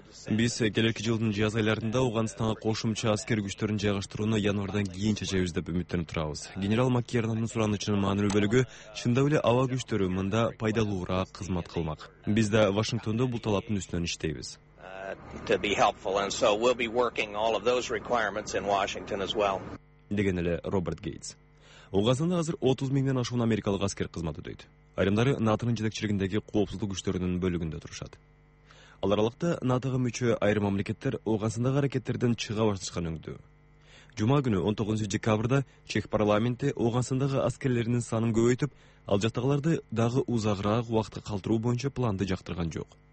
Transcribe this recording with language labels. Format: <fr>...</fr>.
<ky>Биз келеки жылдын жаз айларында Ооганстанга кошумча аскер күчтөрүн жайгаштырууну январдан кийин чечебиз деп үмүттөнүп турабыз. Генерал Маккернандын суранычынын маанилүү бөлүгү чындап эле аба күчтөрү мында пайдалуураак кызмат кылмак. Биз да Вашингтондо бул талаптын үстүнөн иштейбиз.</ky> <en>To be helpful and so we'll be working all of those requirements in Washington as well.</en> <ky>Деген эле Роберт Гейтс. Ооганстанда азыр 30 миңден ашуун америкалык аскер кызмат өтөйт. Айрымдары НАТОнун жетекчилигиндеги коопсуздук күчтөрүнүн бөлүгүндө турушат. Ал аралыкта НАТОго мүчө айрым мамлекеттер Ооганстандагы аракеттерден чыга башташкан өңдү. Жума күнү 19 декабрда Чех парламенти Ооганстандагы аскерлеринин санын көбөйтүп, ал жактагыларды дагы узагыраак убакытка калтыруу боюнча планды жактырган жок.</ky>